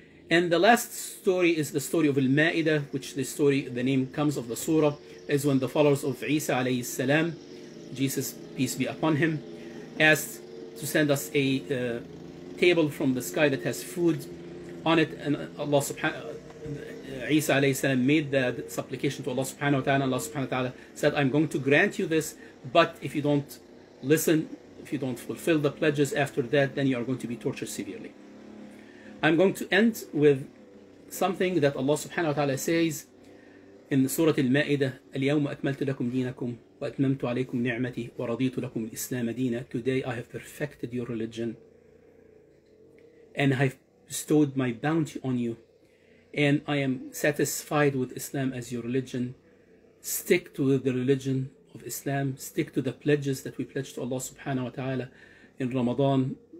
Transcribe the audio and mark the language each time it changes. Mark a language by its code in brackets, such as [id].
[en] And the last story is the story of Al-Ma'idah, which the story, the name comes of the surah, is when the followers of Isa alayhi salam, Jesus peace be upon him, asked to send us a table from the sky that has food on it, and Allah subhanahu Isa alayhi salam made the supplication to Allah subhanahu wa ta'ala, and Allah subhanahu wa ta'ala said, I'm going to grant you this, but if you don't listen, if you don't fulfill the pledges after that, then you are going to be tortured severely. I'm going to end with something that Allah subhanahu wa ta'ala says, [ar] إن سورة المائدة: اليوم أكملت لكم دينكم وأتممت عليكم نعمتي ورضيت لكم الإسلام دينا. [en] Today I have perfected your religion and I have bestowed my bounty on you and I am satisfied with Islam as your religion. Stick to the religion of Islam. Stick to the pledges that we pledged to Allah subhanahu wa ta'ala in Ramadan.